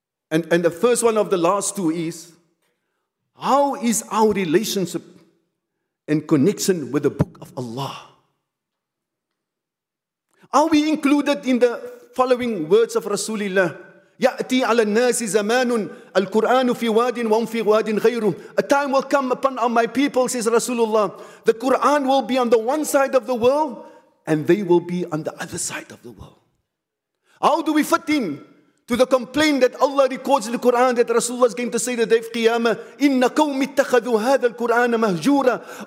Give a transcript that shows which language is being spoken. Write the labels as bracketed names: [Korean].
[English] And the first one of the last two is, how is our relationship and connection with the Book of Allah? Are we included in the following words of Rasulullah? [Arabic] يأتي على الناس زمان القرآن في واد وهم في واد غيره. [English] A time will come upon my people, says Rasulullah. The Quran will be on the one side of the world and they will be on the other side of the world. How do we fit in to the complaint that Allah records in the Quran that Rasulullah is going to say the day of Qiyamah, [Arabic] إِنَّ قَوْمِ اتَّخَذُوا هَذَا الْقُرْآنَ مَهْجُورًا.